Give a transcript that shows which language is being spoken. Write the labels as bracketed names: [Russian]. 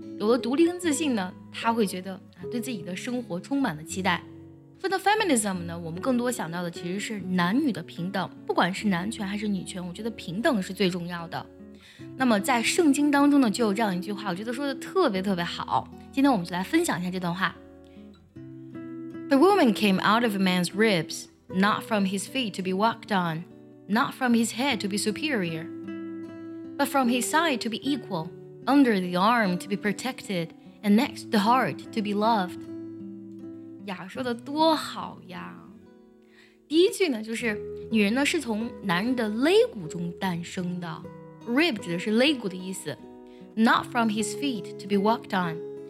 [Chinese] 有了独立跟自信呢，他会觉得对自己的生活充满了期待。说到 feminism 呢，我们更多想到的其实是男女的平等，不管是男权还是女权，我觉得平等是最重要的。那么在圣经当中呢，就有这样一句话，我觉得说的特别特别好。今天我们就来分享一下这段话。 [English] The woman came out of a man's ribs, not from his feet to be walked on, not from his head to be superior, but from his side to be equal, under the arm to be protected, and next the heart to be loved. [Chinese] 呀，说的多好呀！第一句呢，就是女人呢是从男人的肋骨中诞生的。 Rib 指的是肋骨的意思。 [English] Not from his feet to be walked on.